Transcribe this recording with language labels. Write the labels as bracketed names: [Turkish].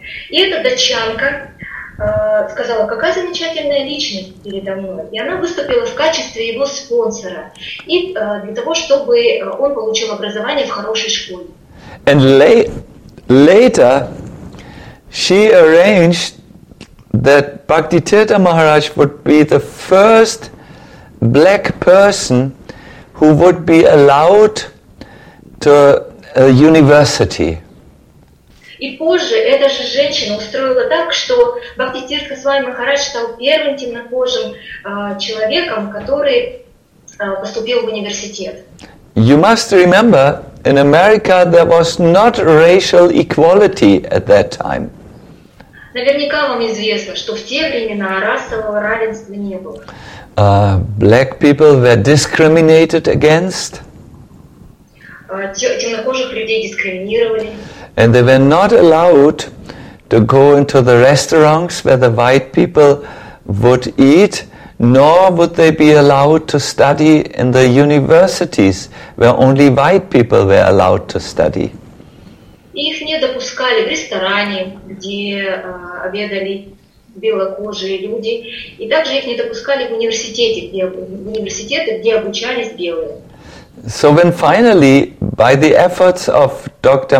[Russian] И эта датчанка сказала, какая замечательная личность передо мной. И она выступила в качестве его спонсора и для того, чтобы он получил образование в хорошей школе. [English] And later she arranged that Bhaktisiddhanta Maharaj would be the first black person who would be allowed to a university. [Russian] И позже эта же женщина устроила так, что Бхактисиддханта Свами Махарадж стал первым темнокожим человеком, который поступил в университет. [English] You must remember, in America there was not racial equality at that time. [Russian] Наверняка вам известно, что в те времена расового равенства не было. [English] Black people were discriminated against. [Russian] Темнокожих людей дискриминировали. [English] And they were not allowed to go into the restaurants where the white people would eat, nor would they be allowed to study in the universities where only white people were allowed to study. [Russian] Их не допускали в ресторане, где обедали белокожие люди, и также их не допускали в университеты, где обучались белые. [English] So when finally, by the efforts of Dr.